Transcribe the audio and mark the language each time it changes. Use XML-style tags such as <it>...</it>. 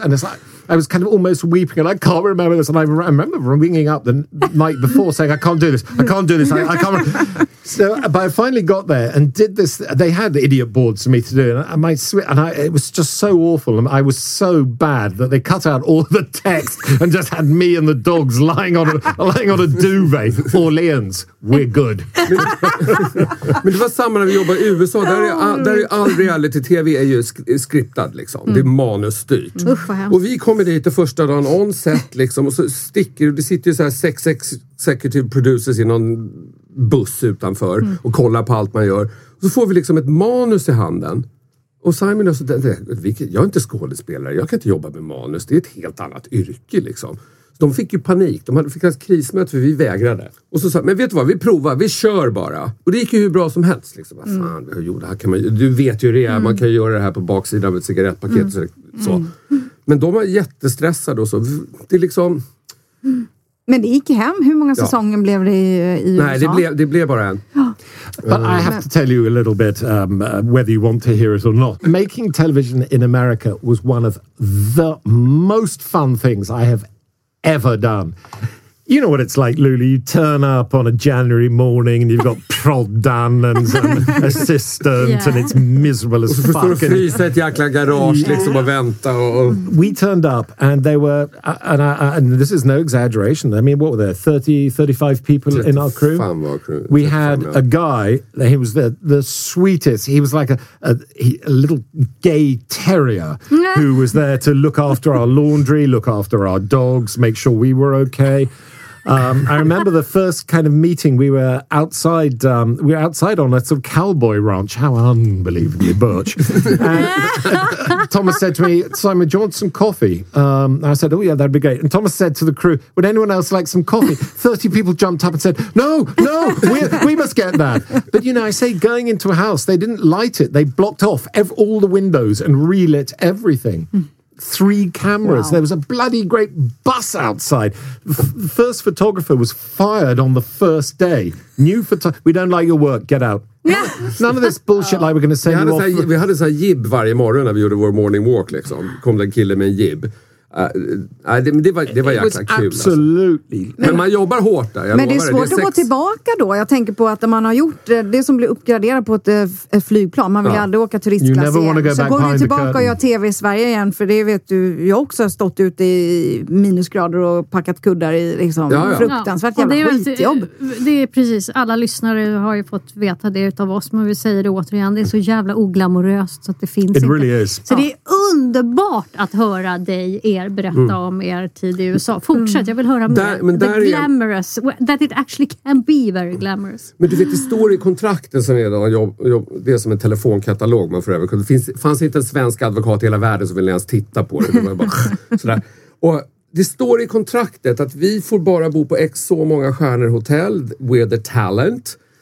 <en>And it's like, I was kind of almost weeping, and I can't remember this. And I remember ringing up the night before saying, I can't do this. I can't. So, but I finally got there and did this. They had the idiot boards for me to do, it was just so awful. And I was so bad that they cut out all the text and just had me and the dogs lying on a duvet. Orleans, we're good.</en> <sv>Men det var samma när vi jobbade i USA. Där är all reality-tv är ju skriptad, liksom. Det är manusstyrt. Usch, och vi kom kommer dit det första dagen</sv> <en>on set</en> <sv>liksom, och så sticker, det sitter ju så här sex</sv> <en>executive producers</en> <sv>i någon buss utanför och kollar på allt man gör. Och så får vi liksom ett manus i handen. Och Simon, jag är inte skådespelare, jag kan inte jobba med manus, det är ett helt annat yrke liksom. De fick ju panik, de fick ett krismöte för vi vägrade. Och så sa, men vet du vad, vi provar, vi kör bara. Och det gick ju hur bra som helst. Liksom. Va fan, jo, det här kan man, du vet ju det, man kan göra det här på baksidan av ett cigarettpaket. Mm. Så. Mm. Men de var jättestressade och så. Det liksom... Mm. Men det gick hem, hur många säsonger blev det i USA? Nej, det blev bara en.</sv> <en>But I have to tell you a little bit, whether you want to hear it or not. Making television in America was one of the most fun things I have ever done. You know what it's like, Luli. You turn up on a January morning and you've got prod done and an assistant and it's miserable as fuck.</en> <sv>Och så får du frysa ett jäkla garage liksom och vänta.</sv> <en>We turned up and they were, and this is no exaggeration, I mean, what were there, 35 people in our crew? We had a guy, he was the sweetest, he was like a little gay terrier who was there to look after our laundry, look after our dogs, make sure we were okay. I remember the first kind of meeting, we were outside on a sort of cowboy ranch. How unbelievably butch. And Thomas said to me, Simon, do you want some coffee? I said, oh yeah, that'd be great. And Thomas said to the crew, would anyone else like some coffee? 30 people jumped up and said, no, we must get that. But you know, I say going into a house, they didn't light it. They blocked off all the windows and relit everything. Three cameras. Wow. There was a bloody great bus outside. The first photographer was fired on the first day. New photo. We don't like your work. Get out. Yeah. None of this bullshit. Like we're going to send you off.</en> <sv>Vi hade så här jibb varje morgon när vi gjorde vår</sv> <en>morning walk.</en> <sv>Liksom. Kom den killen med en jibb. Det var jäkla kul.</sv> <en>Absolutely.</en> <sv>Alltså. Men man jobbar hårt där. Men det är svårt att gå tillbaka då. Jag tänker på att man har gjort det som blir uppgraderat på ett flygplan. Man vill aldrig åka turistklass igen. Så går du tillbaka och gör tv i Sverige igen. För det vet du. Jag också har stått ute i minusgrader och packat kuddar i liksom, fruktansvärt jävla skitjobb. Det är precis. Alla lyssnare har ju fått veta det av oss. Men vi säger det återigen. Det är så jävla oglamoröst så att det finns</sv> <en>it</en> <sv>inte.</sv> <en>Really is.</en> <sv>Så det är underbart att höra dig berätta om er tid i USA. Fortsätt, jag vill höra mer.</sv> <en>The glamorous, that it actually can be very glamorous.</en> <sv>Men du vet, det står i kontrakten som är det är som en telefonkatalog man får överkunna. Fanns inte en svensk advokat i hela världen som ville ens titta på det. Det bara, sådär. Och det står i kontraktet att vi får bara bo på X så många stjärnor hotell.</sv> <en>We're the talent.</en>